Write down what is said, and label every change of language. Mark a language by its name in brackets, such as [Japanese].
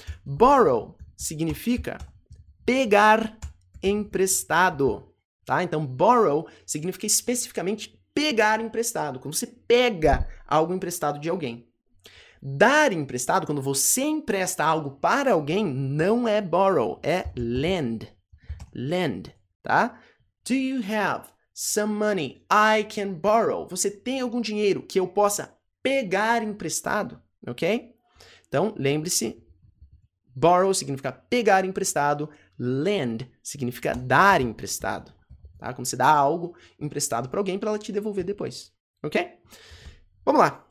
[Portuguese] Borrow significa pegar emprestado. Tá? Então, borrow significa especificamente pegar emprestado. Quando você pega algo emprestado de alguém, Dar emprestado, quando você empresta algo para alguém, não é borrow, é lend. Lend, tá? [English] Do you have some money I can borrow? [Portuguese] Você tem algum dinheiro que eu possa pegar emprestado? Ok? Então, lembre-se, borrow significa pegar emprestado, lend significa dar emprestado. Tá? Como você dá algo emprestado para alguém para ela te devolver depois. Ok? Vamos lá.